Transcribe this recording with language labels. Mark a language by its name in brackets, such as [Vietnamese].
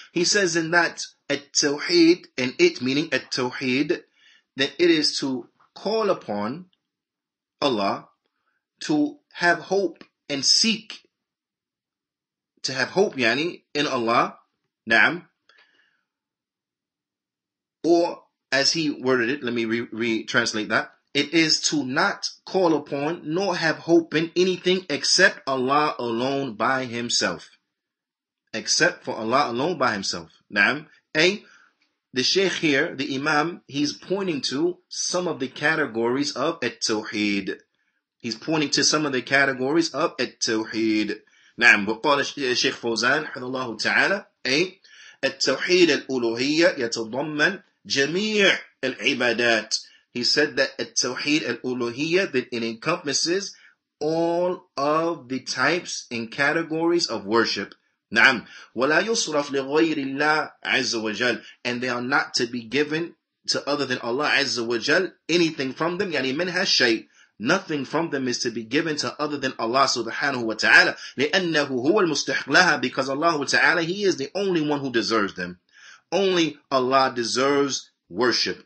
[English] He says in that التوحيد, in it meaning التوحيد, that it is to call upon Allah, to have hope and seek, to have hope, yani, in Allah, نعم, or as he worded it, let me retranslate that, it is to not call upon nor have hope in anything except Allah alone by himself. Except for Allah alone by himself. Naam. A. The Shaykh here, the Imam, he's pointing to some of the categories of At-Tawheed. He's pointing to some of the categories of At-Tawheed. Naam. [Arabic] وقال Shaykh Fawzan, حفظ الله تعالى, A. At-Tawheed al-Uluhiyya yatadhamman jami' al-Ibadat. [English] He said that التوحيد الألوهية, that it encompasses all of the types and categories of worship. [Arabic] نعم. ولا يصرف لغير الله عز وجل. [English] And they are not to be given to other than Allah عز وجل anything from them. [Arabic] يعني منها شيء. [English] Nothing from them is to be given to other than Allah سبحانه وتعالى. [Arabic] لأنه هو المستحق لها. [English] Because Allah تعالى, He is the only one who deserves them. Only Allah deserves worship.